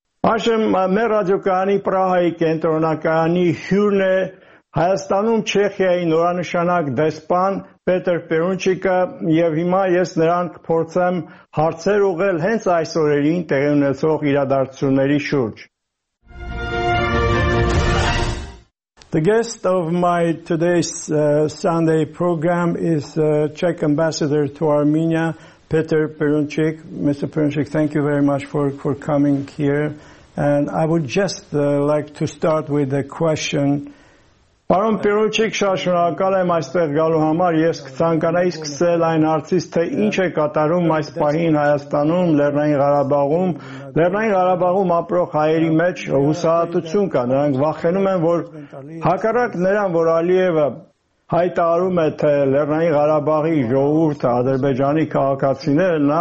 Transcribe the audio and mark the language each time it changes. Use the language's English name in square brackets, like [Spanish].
[Armenian] Այժմ մեր ռադիոկայանի Պրահայի կենտրոնակայանի հյուրն է Հայաստանում Չեխիայի նորանշանակ դեսպան Պետր Պերունչիկը, և հիմա ես նրան կփորձեմ հարցեր ուղղել հենց այս օրերին տեղի ունեցող իրադարձությունների շուրջ։ [English] The guest of my today's Sunday program is Czech Ambassador to Armenia, Petr Perunchik. Mr. Perunchik, thank you very much for coming here. And I would just like to start with a question. [Armenian] Պարոն Պերունչիկ, շատ շնորհակալ եմ այստեղ գալու համար։ Ես ցանկանայի սկսել այն հարցից, թե ինչ է կատարում այս պահին Հայաստանում Լեռնային Ղարաբաղում, Լեռնային Ղարաբաղում ապրող հայերի մեջ հուսահատություն կա, նրանք վախենում են, որ հակառակ նրան, որ Ալիևը հայտարարում է, թե Լեռնային Ղարաբաղի ժողովուրդը Ադրբեջանի քաղաքացիները,